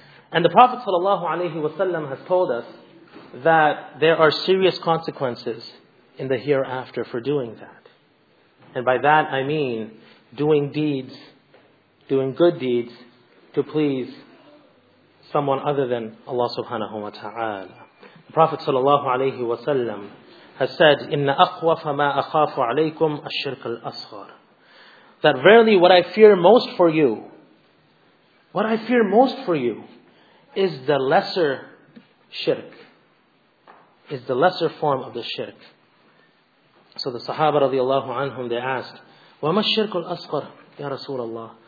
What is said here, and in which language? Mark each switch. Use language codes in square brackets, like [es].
[en] And the Prophet ﷺ has told us that there are serious consequences in the hereafter for doing that. And by that I mean doing deeds, doing good deeds to please someone other than Allah subhanahu wa ta'ala. The Prophet ﷺ has said, [ar] إِنَّ أَقْوَفَ مَا أَخَافُ عَلَيْكُمْ الشِّرْكَ الْأَصْغَرِ. [en] That verily what I fear most for you, what I fear most for you, is the lesser shirk, is the lesser form of the shirk. So the Sahaba radiallahu anhum, they asked, [ar] وَمَا الشِّرْكُ الْأَصْغَرُ يَا رَسُولَ اللَّهِ.